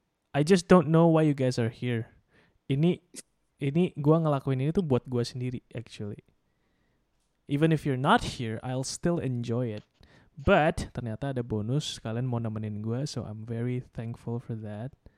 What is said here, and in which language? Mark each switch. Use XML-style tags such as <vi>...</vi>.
<en>I just don't know why you guys are here.</en> <id>Ini gua ngelakuin ini tuh buat gua sendiri actually.</id> <en>Even if you're not here, I'll still enjoy it. But</en> <id>ternyata ada bonus, kalian mau nemenin gua,</id> <en>so I'm very thankful for that.</en>